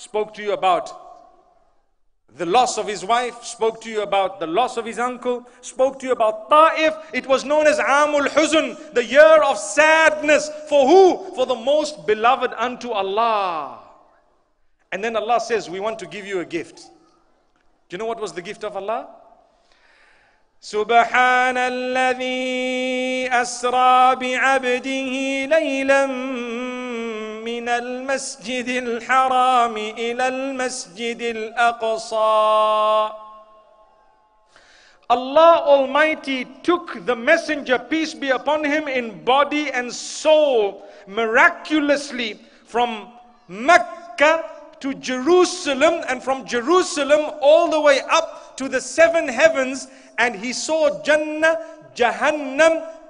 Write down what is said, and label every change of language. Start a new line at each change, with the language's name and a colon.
English: Spoke to you about the loss of his wife, spoke to you about the loss of his uncle, spoke to you about Ta'if. It was known as Amul Huzn, the year of sadness. For who? For the most beloved unto Allah. And then Allah says, we want to give you a gift. Do you know what was the gift of Allah?
Arabic: Subhanalladhi asra bi'abdihi laylam من المسجد الحرام إلى المسجد الأقصى.
English: Allah Almighty took the messenger, peace be upon him, in body and soul, miraculously from Mecca to Jerusalem, and from Jerusalem all the way up to the seven heavens, and he saw Jannah, Jahannam.